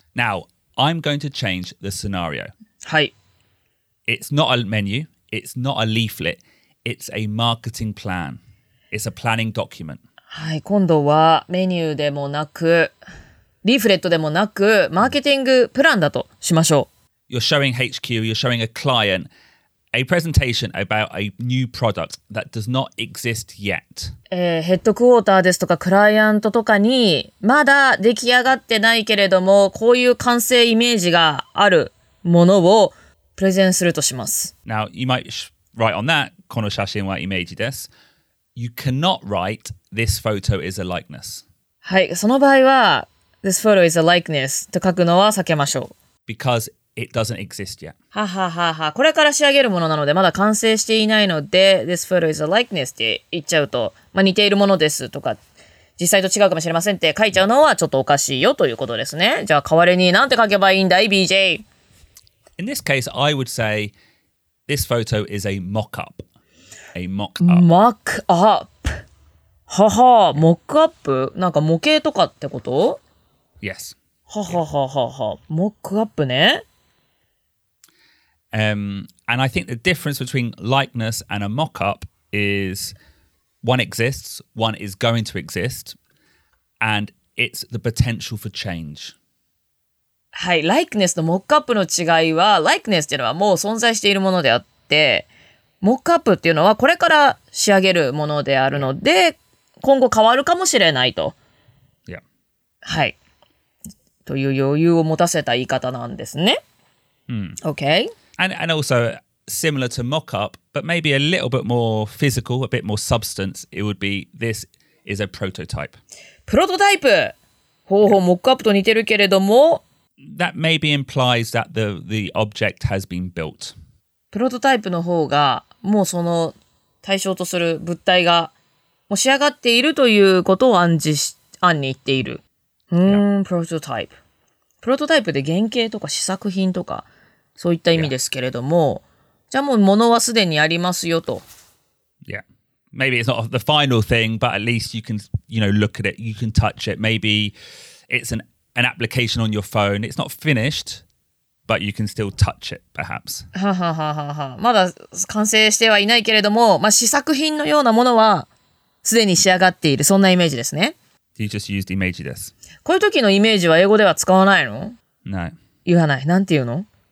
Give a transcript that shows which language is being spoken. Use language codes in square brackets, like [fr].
[en] Now,I'm going to change the scenario. [ja] はい。 [en] It's not a menu. It's not a leaflet. It's a marketing plan. It's a planning document. [ja] はい。今度はメニューでもなく、リーフレットでもなく、マーケティングプランだとしましょう。 [en] You're showing HQ, you're showing a client a presentation about a new product that does not exist yet. [ja] ヘッドクォーターですとかクライアントとかにまだ出来上がってないけれどもこういう完成イメージがあるものをプレゼンするとします。 [en] Now, you might write on that, [ja] この写真はイメージです。 [en] You cannot write, this photo is a likeness. [ja] はい、その場合は、 [en] this photo is a likeness [ja] と書くのは避けましょう。 [en] Because it doesn't exist yet. [ja] はははは、これから仕上げるものなのでまだ完成していないので、 [en] this photo is a likeness [ja] って言っちゃうと、まあ、似ているものですとか、実際と違うかもしれませんって書いちゃうのはちょっとおかしいよということですね。じゃあ代わりに何て書けばいいんだい、BJ。 [en] In this case, I would say this photo is a mock-up. A mock-up. Mock-up. はは、mock-up? [ja] なんか模型とかってこと？ [en] Yes. [ja] はははは、は、mock-up ね。 [en] And I think the difference between likeness and a mock-up is one exists, one is going to exist, and it's the potential for change. [ja] はい、likeness とモックアップの違いは、likeness っていうのはもう存在しているものであって、モックアップっていうのはこれから仕上げるものであるので、今後変わるかもしれないと。いや。はい。という余裕を持たせた言い方なんですね。 Mm. [en] Okay. And also, similar to mock up, but maybe a little bit more physical, a bit more substance, it would be this is a prototype. [ja] プロトタイプ。ほうほう、モックアップと似てるけれども、 [en] That maybe implies that the object has been built. [ja] プロトタイプの方がもうその対象とする物体がもう仕上がっているということを暗に言っている。プロトタイプ。プロトタイプで原型とか試作品とかそういった意味ですけれども、じゃあもう物はすでにありますよと。 [en] Yeah. Maybe it's not the final thing, but at least you can, you know, look at it. You can touch it. Maybe it's an application on your phone. It's not finished, but you can still touch it, perhaps. [ja] まだ完成してはいないけれども、まあ、試作品のようなものはすでに仕上がっている。そんなイメージですね。 [en] You just used image です。 [ja] こういう時のイメージは英語では使わないの？ [en] No. [ja] 言わない。なんて言うの？